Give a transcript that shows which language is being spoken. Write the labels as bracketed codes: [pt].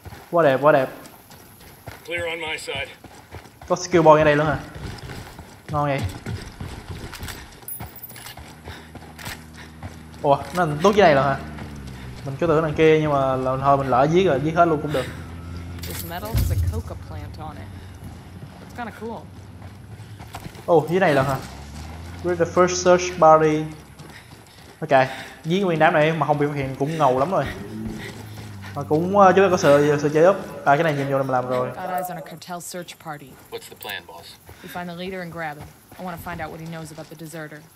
[vi] Quá đẹp, quá đẹp. [en] Clear on my side. [vi] Có skill boy ở đây luôn hả? Ngon vậy. Ủa, nó tốt dưới này luôn hả? Mình cứ tưởng đằng kia nhưng mà là thôi mình lỡ giết rồi, giết hết luôn cũng được. [en] This metal has a coca plant on it. It's kinda cool. [vi] Oh, dưới này luôn hả? [en] We're the first search party. [vi] Ok, giết nguyên đám này mà không bị phát hiện cũng ngầu lắm rồi. Mà cũng chúng ta có sự chế ấp. À, cái này nhiệm vụ là mình làm rồi. [en] What's the plan, boss? We find the leader and grab him. I want to find out what he knows about the deserter.